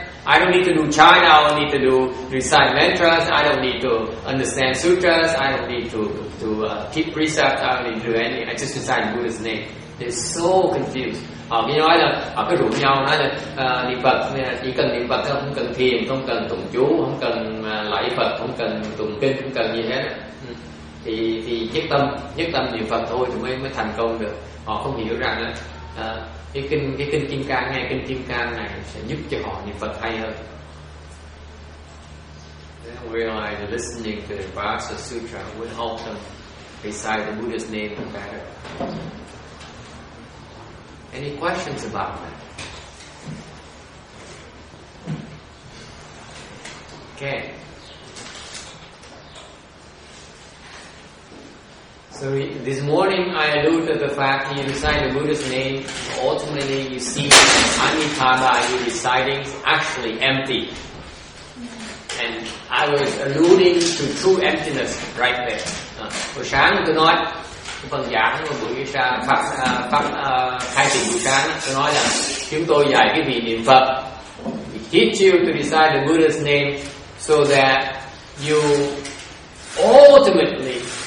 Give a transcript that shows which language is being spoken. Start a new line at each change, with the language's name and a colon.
English: I don't need to do chant. I don't need to do recite mantras. I don't need to understand sutras. I don't need to keep precepts. I don't need to do anything. I just recite the Buddha's name. They're so confused.
Vietnamese: Họ mới nói là họ cứ rủ nhau nói là niệm Phật chỉ cần niệm Phật không cần thiền, không cần tụng chú, không cần lạy Phật, không cần tụng kinh, không cần gì hết. Thì nhất tâm niệm Phật thôi thì mới thành công được. Họ không hiểu rằng cái kinh Kim Cang, nghe kinh Kim Cang này sẽ giúp cho họ niệm Phật hay hơn.
English: They don't realize listening to the Vajra Sutra will help them recite the Buddha's name better. Any questions about that? Okay. So this morning I alluded to the fact that you recite the Buddha's name, ultimately you see Amitabha you reciting is actually empty. And I was alluding to true emptiness right there.
Vietnamese: Buổi sáng tôi nói phần giảng của buổi sáng phát khai trình buổi sáng tôi nói là chúng tôi dạy cái vị niệm Phật.
English: We teach you to recite the Buddha's name so that you ultimately